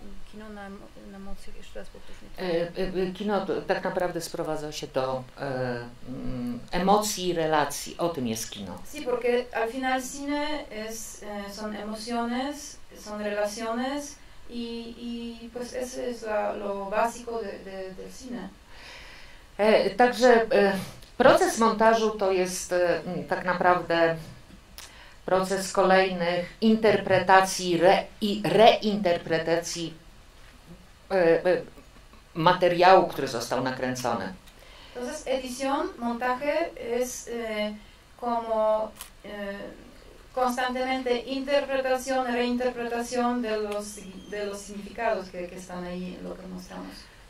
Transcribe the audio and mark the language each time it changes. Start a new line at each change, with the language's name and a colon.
Polish: Kino na emocjach, jeszcze raz powtórzmy. Kino tak naprawdę sprowadza się do emocji i relacji, o tym jest kino.
Spanish: Sí, porque al final cine es, son emociones, son relaciones i pues eso es lo básico del cine.
Polish: Także proces montażu to jest tak naprawdę proces kolejnych interpretacji i reinterpretacji materiału, który został nakręcony.
Spanish: Entonces edición, montaje es como constantemente interpretación, reinterpretación de los significados que están ahí, lo que mostramos.